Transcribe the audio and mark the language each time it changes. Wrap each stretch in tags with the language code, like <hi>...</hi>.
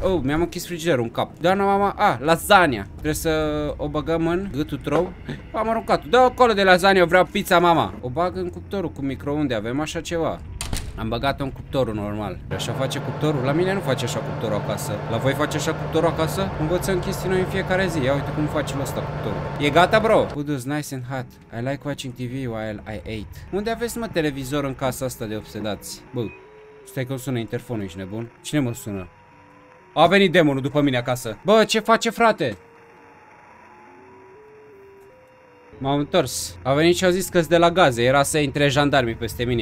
<ro>Oh, mi-am închis frigiderul în cap. Doamna mama, lasagna. Trebuie să o băgăm în gâtul trou. Am aruncat. Dă-o acolo de lasagna, eu vreau pizza, mama. O bag în cuptorul cu microunde, avem așa ceva. Am băgat-o în cuptorul normal. Așa face cuptorul? La mine nu face așa cuptorul acasă. La voi face așa cuptorul acasă? Învățăm chestii noi în fiecare zi. Ia uite cum face ăsta cuptorul. E gata, bro?</ro> <en>Food is nice and hot. I like watching TV while I ate.</en> <ro>Unde aveți, mă, televizor în casa asta de obsedați? Bă, stai că-mi sună interfonul, ești nebun? Cine mă sună? A venit demonul după mine acasă. Bă, ce face, frate? M-am întors. A venit și au zis că-s de la gaze. Era să intre jandarmii peste mine.</ro>